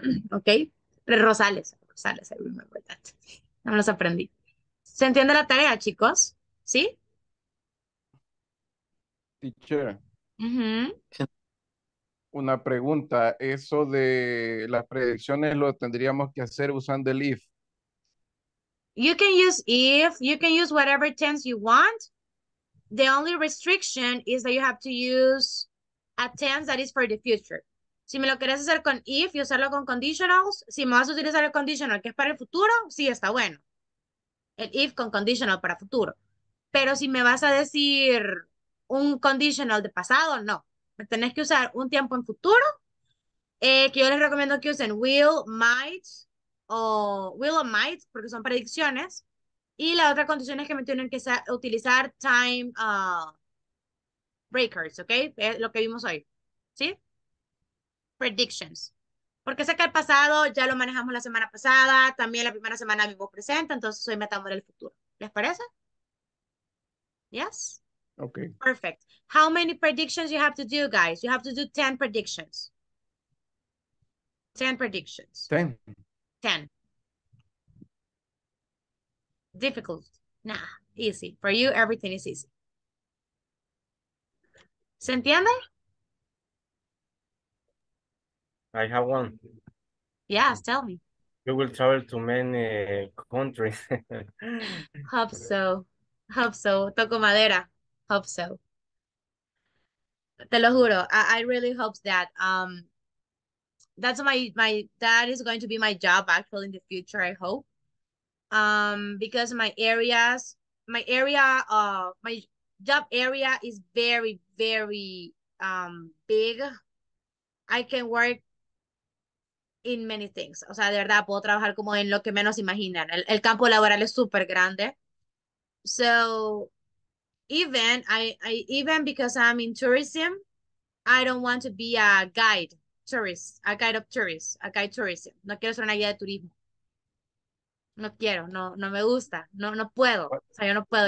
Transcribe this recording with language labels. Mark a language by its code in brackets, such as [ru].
[en] Okay, Rosales, Rosales, I remember that. [es] No me los aprendí. ¿Se entiende la tarea, chicos? ¿Sí? [en] Teacher. Uh-huh. [es] Una pregunta. Eso de las predicciones lo tendríamos que hacer usando el if. [en] You can use if, you can use whatever tense you want. The only restriction is that you have to use a tense that is for the future. [es] Si me lo quieres hacer con if y usarlo con conditionals, si me vas a utilizar el conditional que es para el futuro, sí, está bueno. El if con conditional para futuro. Pero si me vas a decir un conditional de pasado, no. Me tenés que usar un tiempo en futuro, que yo les recomiendo que usen will, might, porque son predicciones. Y la otra condición es que me tienen que utilizar time breakers, ¿ok? Es lo que vimos hoy, ¿sí? Predictions. Porque sé que el pasado ya lo manejamos la semana pasada, también la primera semana vivo presente, entonces hoy metamos el futuro. ¿Les parece? [en] Yes? Okay. Perfect. How many predictions you have to do, guys? You have to do 10 predictions. 10 predictions. 10. 10. Difficult. Nah, easy. For you, everything is easy. [es] ¿Se entiende? [en] I have one. Yes, tell me. You will travel to many countries. Hope so. Hope so. [es] Toco madera. [en] Hope so. [es] Te lo juro. [en] I really hope that. That's my that is going to be my job actually in the future, I hope. Because my job area is very, very big. I can work in many things. [es] O sea, de verdad, puedo trabajar como en lo que menos imaginan. El campo laboral es súper grande. [en] So, even because I'm in tourism, I don't want to be a guide of tourism. [es] No quiero ser una guía de turismo. No quiero, no me gusta. No puedo. O sea, yo no puedo.